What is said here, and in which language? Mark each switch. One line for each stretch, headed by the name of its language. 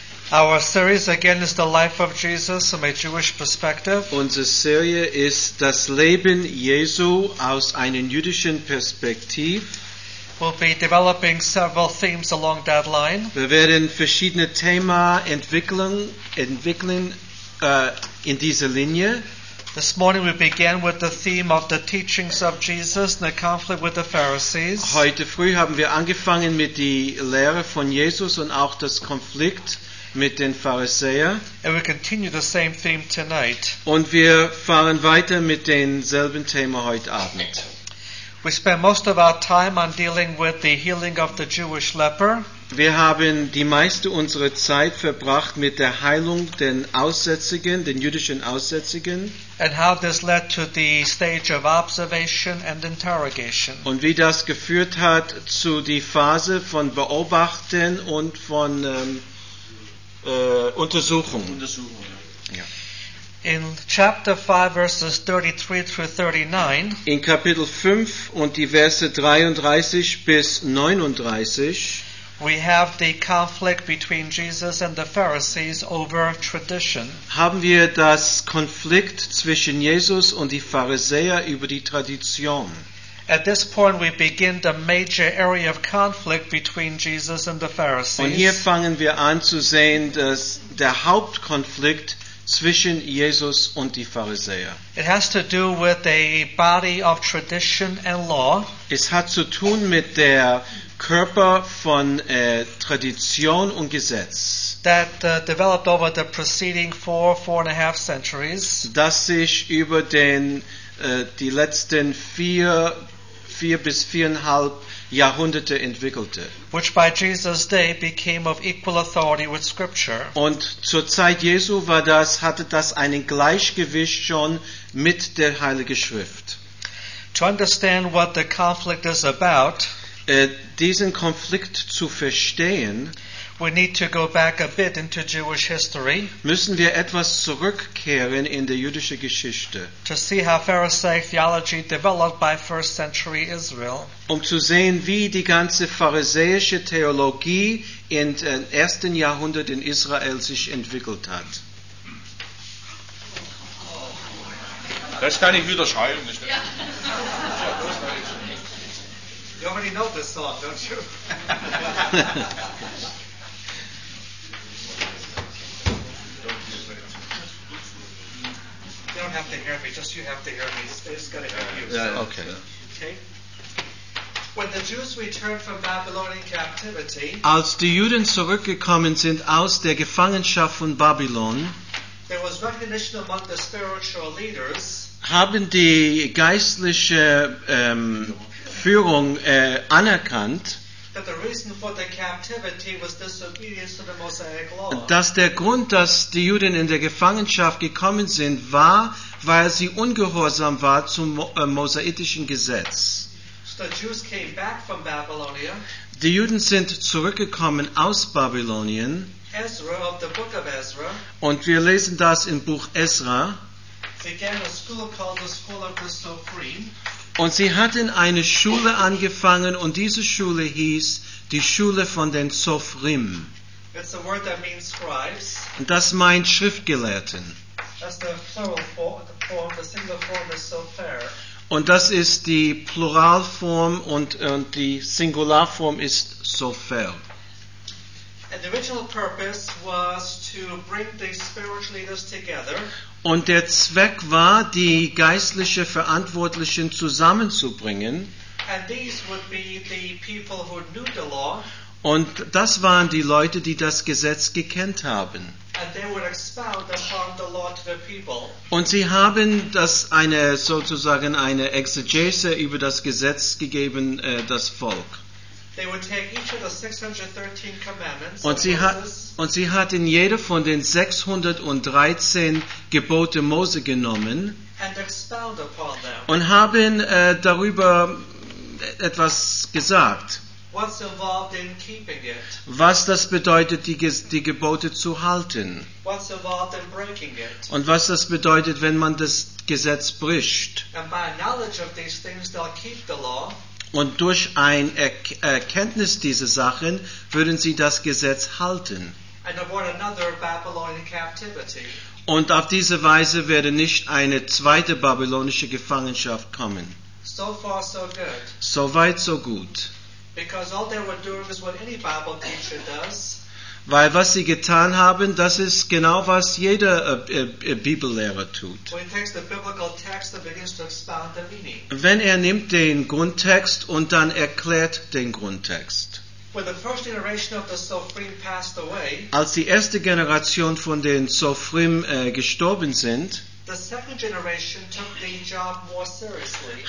English: Our series again is the life of Jesus from a Jewish perspective.
German: Unsere Serie ist das Leben Jesu aus einer jüdischen Perspektive.
English: We'll be developing several themes along that line.
German: Wir werden verschiedene Themen entwickeln in dieser Linie.
English: This morning we began with the theme of the teachings of Jesus and the conflict with the Pharisees.
German: Heute früh haben wir angefangen mit die Lehre von Jesus und auch das Konflikt mit den Pharisäern.
English: And we continue the same theme tonight.
German: Und wir fahren weiter mit denselben Themen heute Abend.
English: We spend most of our time on dealing with the healing of the Jewish leper.
German: Wir haben die meiste unserer Zeit verbracht mit der Heilung den Aussätzigen, den jüdischen Aussätzigen.
English: And how this led to the stage of observation and interrogation.
German: Und wie das geführt hat zu die Phase von Beobachten und von Untersuchung.
English: Ja. In chapter 5 verses 33 through 39.
German: In Kapitel 5 und die Verse 33 bis 39.
English: We have the conflict between Jesus and the Pharisees over tradition.
German: Haben wir das Konflikt zwischen Jesus und die Pharisäer über die Tradition.
English: At this point we begin the major area of conflict between Jesus and the Pharisees.
German: Und hier fangen wir an zu sehen, dass der Hauptkonflikt zwischen Jesus und die Pharisäer.
English: It has to do with a body of tradition and law.
German: Es hat zu tun mit der Körper von Tradition und Gesetz.
English: That developed over the preceding four and a half centuries.
German: Das sich über die letzten vier bis viereinhalb Jahrhunderte entwickelte.
English: Which by Jesus' day became of equal authority with Scripture.
German: Und zur Zeit Jesu hatte das ein Gleichgewicht schon mit der Heiligen Schrift.
English: To understand what the conflict is about,
German: diesen Konflikt zu verstehen,
English: we need to go back a bit into Jewish history.
German: Müssen wir etwas zurückkehren in der jüdische Geschichte.
English: To see how Pharisaic theology developed by first century Israel.
German: Um zu sehen, wie die ganze pharisäische Theologie in den ersten Jahrhundert in Israel sich entwickelt hat. Das kann ich wieder schreiben, nicht? Ja.
English: You already know this song, don't you? There don't have to hear me, just you have to hear me. It's going to help you. Yeah, okay. When the Jews returned from Babylonian captivity,
German: als die Juden zurückgekommen sind aus der Gefangenschaft von Babylon,
English: there was recognition among the spiritual leaders,
German: haben die geistliche Führung anerkannt,
English: that the reason for the captivity was disobedience to the Mosaic law.
German: Dass der Grund, dass die Juden in der Gefangenschaft gekommen sind, war, weil sie ungehorsam war zum mosaitischen Gesetz.
English: The Jews came back from Babylonia.
German: Die Juden sind zurückgekommen aus Babylonien.
English: Ezra of the book of Ezra.
German: Und wir lesen das im Buch Ezra.
English: Began a school called the School of the Sophrim.
German: Und sie hatten eine Schule angefangen und diese Schule hieß die Schule von den Sophrim.
English: It's a word that means scribes.
German: Und das meint Schriftgelehrten.
English: That's the plural form, the single form is Sopher.
German: Und das ist die Pluralform und die Singularform ist Sofer.
English: And the original purpose was to bring the spiritual leaders together.
German: Und der Zweck war, die geistliche Verantwortlichen zusammenzubringen.
English: And these would be the people who knew the law.
German: Und das waren die Leute, die das Gesetz gekannt haben.
English: And they would expound upon the law to the people.
German: Und sie haben das eine sozusagen eine Exegese über das Gesetz gegeben, das Volk.
English: They would take each of the 613 commandments.
German: Und sie hatten jede von den 613 Gebote Mose genommen.
English: And expound upon them.
German: Und haben darüber etwas gesagt.
English: What's involved in keeping it?
German: Was das bedeutet, die Gebote zu halten.
English: What's involved in breaking it?
German: Und was das bedeutet, wenn man das Gesetz bricht.
English: And by knowledge of these things, they'll keep the law.
German: Und durch ein Erkenntnis dieser Sachen würden sie das Gesetz halten.
English: And avoid another Babylonian captivity.
German: Und auf diese Weise werde nicht eine zweite babylonische Gefangenschaft kommen.
English: So far, so good.
German: So weit, so gut.
English: Because all they were doing is what any Bible teacher does.
German: Weil was sie getan haben, das ist genau was jeder Bibellehrer tut.
English: When he takes the biblical text and begins to expound the meaning.
German: Wenn er nimmt den Grundtext und dann erklärt den Grundtext.
English: When the first generation of the Sophrim passed away.
German: Als die erste Generation von den Sophrim gestorben sind.
English: The second generation took the job more seriously.